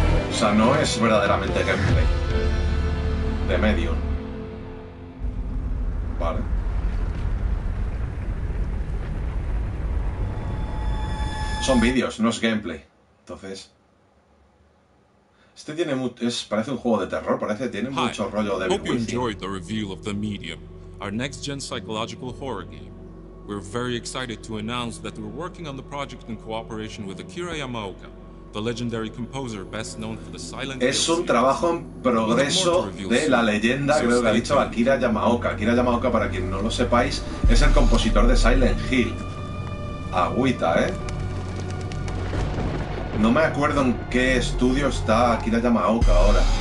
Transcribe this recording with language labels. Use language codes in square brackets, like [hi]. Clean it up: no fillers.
[es] O sea, no es verdaderamente gameplay. De Medium. Vale. Son vídeos, no es gameplay. Entonces... Este tiene parece un juego de terror, parece, tiene mucho rollo de [en] Devil Within. Hope you enjoyed the reveal of the Medium, our next gen psychological horror game. We're very excited to announce that we're working on the project in cooperation with Akira Yamaoka, the legendary composer best known for the Silent Hill. [es] Es un trabajo en progreso de la leyenda, creo que ha dicho Akira Yamaoka. Akira Yamaoka, para quien no lo sepáis, es el compositor de Silent Hill. Agüita, No me acuerdo en qué estudio está Akira Yamaoka ahora.